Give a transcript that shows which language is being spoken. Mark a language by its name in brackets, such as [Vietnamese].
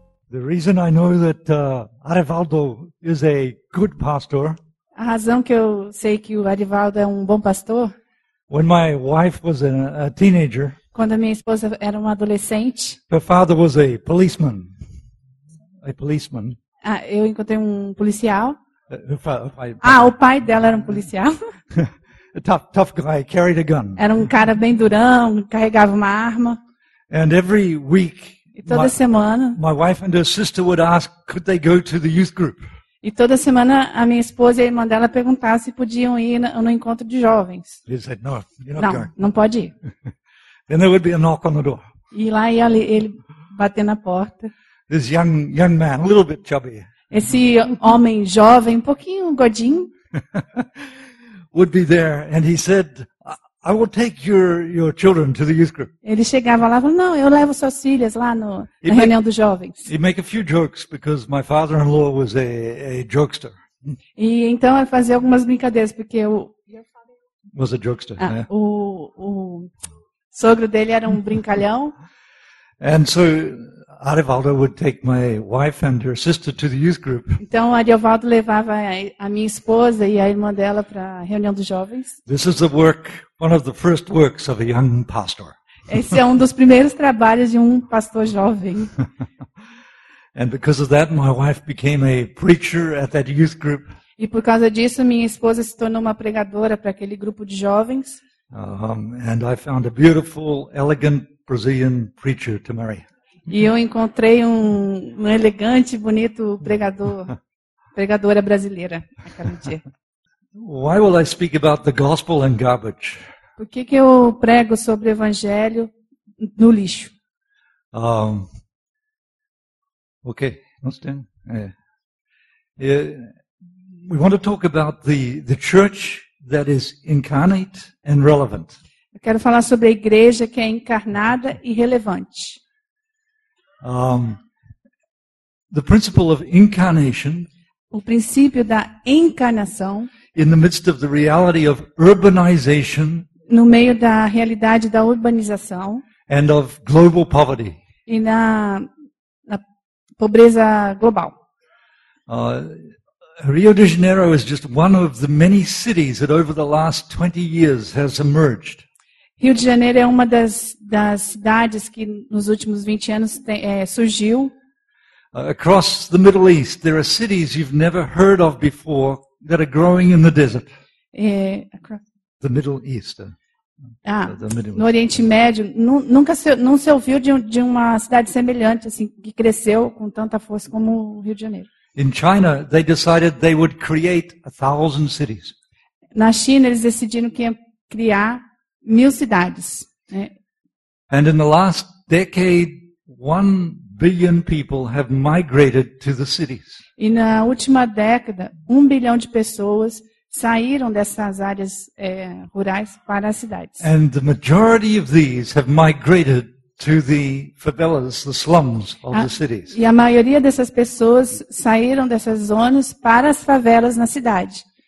[English] The reason I know that Arivaldo is a good pastor. [Portuguese] A razão que eu sei que o Arivaldo é um bom pastor. [English] When my wife was a teenager. [Portuguese] Quando a minha esposa era uma adolescente. [English] Her father was a policeman. A policeman. [Portuguese] Ah, eu encontrei um policial. O pai dela era um policial. [English] A tough guy, carried a gun. [Portuguese] Era um cara bem durão, carregava uma arma. [English] And every week. [Portuguese] E toda semana. [English] My wife and her sister would ask, could they go to the youth group? [Portuguese] E toda semana a minha esposa e a irmã dela perguntavam se podiam ir no encontro de jovens. [English] He said, no, you're not [Portuguese] não, [English] going. [Portuguese] Não pode ir. [English] Then there would be a knock on the door. [Portuguese] E lá ia ele bater na porta. [English] This young man, a little bit chubby. [Portuguese] Esse homem jovem, um pouquinho gordinho. [English] Would be there and he said, I will take your children to the youth group. [Portuguese] Ele chegava lá e falava, não, eu levo suas filhas lá no, na [English] make, [Portuguese] reunião dos jovens. [English] He'd make a few jokes because my father-in-law was a jokester. [Portuguese] E então ele fazia algumas brincadeiras porque o... [English] Was a jokester, [Portuguese] ah, yeah. O sogro dele era um brincalhão. [English] And so Arivaldo would take my wife and her sister to the youth group. [Portuguese] Então Arivaldo levava a minha esposa e a irmã dela para a reunião dos jovens. [English] This is the work, one of the first works of a young pastor. [Portuguese] Esse é um dos primeiros trabalhos de um pastor jovem. [English] And because of that, my wife became a preacher at that youth group. [Portuguese] E por causa disso, minha esposa se tornou uma pregadora para aquele grupo de jovens. [English] And I found a beautiful, elegant Brazilian preacher to marry. [Portuguese] E eu encontrei um elegante, bonito pregador, pregadora brasileira naquele dia. [English] Why will I speak about the gospel and garbage? [Portuguese] Por que que eu prego sobre o evangelho no lixo? [English] Okay, understand? Yeah. We want to talk about the church that is incarnate and relevant. [Portuguese] Eu quero falar sobre a igreja que é encarnada e relevante. [English] The principle of incarnation. [Portuguese] O princípio da encarnação. [English] In the midst of the reality of urbanization. [Portuguese] No meio da realidade da urbanização. [English] And of global poverty. [Portuguese] E na pobreza global. [English] Rio de Janeiro is just one of the many cities that over the last 20 years has emerged. [Portuguese] Rio de Janeiro é uma das cidades que nos últimos 20 anos surgiu. [English] Across the Middle East, there are cities you've never heard of before that are growing in the desert. The Middle East. [Portuguese] No Oriente Médio, nunca se ouviu de uma cidade semelhante assim que cresceu com tanta força como o Rio de Janeiro. [English] In China, they decided they would create 1,000 cities. [Portuguese] Na China, eles decidiram que iam criar 1,000 cidades, né? [English] And in the last decade, 1 billion people have migrated to the cities. [Portuguese] E na última década, 1 bilhão de pessoas saíram dessas áreas rurais para as cidades. [English] And the majority of these have migrated to the favelas, the slums of the cities. [Portuguese] E a maioria dessas pessoas saíram dessas zonas para as favelas na cidade.